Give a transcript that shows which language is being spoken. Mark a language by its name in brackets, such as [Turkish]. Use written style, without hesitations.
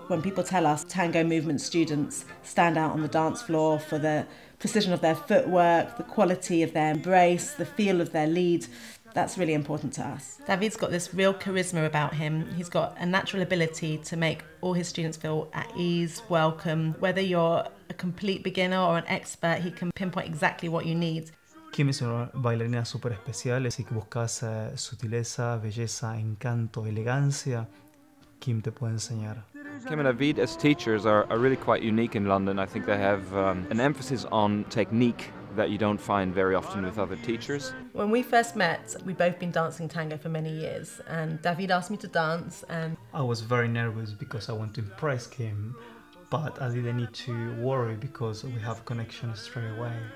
[English] When people tell us tango movement students stand out on the dance floor for the precision of their footwork, the quality of their embrace, the feel of their lead, that's really important to us. David's got this real charisma about him. He's got a natural ability to make all his students feel at ease, welcome. Whether you're a complete beginner or an expert, he can pinpoint exactly what you need. [Spanish] Kim es una bailarina super especial, así que buscas sutileza, belleza, encanto, elegancia, Kim te puede enseñar. [English] Kim and David as teachers are really quite unique in London. I think they have an emphasis on technique that you don't find very often with other teachers. When we first met, we'd both been dancing tango for many years, and David asked me to dance, and I was very nervous because I want to impress Kim, but I didn't need to worry because we have connection straight away.